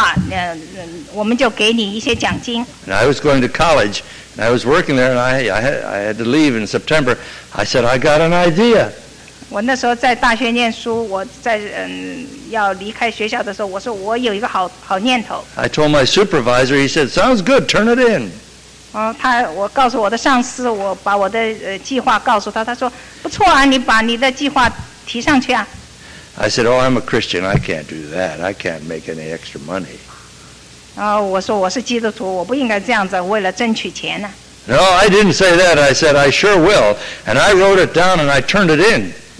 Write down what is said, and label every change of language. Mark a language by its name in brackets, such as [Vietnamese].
[Chinese] 他们说，若是你有很好的一些设计的话，我们就给你一些奖金。 [English] And I was going to college, and I was working there, and I had to leave in September. I said, I got an idea. [Chinese] 我那时候在大学念书，我在要离开学校的时候，我说我有一个好念头。 [English] I told my supervisor, he said, sounds good, turn it in. [Chinese] 他我告诉我的上司，我把我的计划告诉他，他说不错啊，你把你的计划提上去啊。 [English] I said, "Oh, I'm a Christian. I can't do that. I can't make any extra money." [Chinese] 我说我是基督徒，我不应该这样子为了争取钱呢。 [English] No, I didn't say that. I said I sure will, and I wrote it down and I turned it in.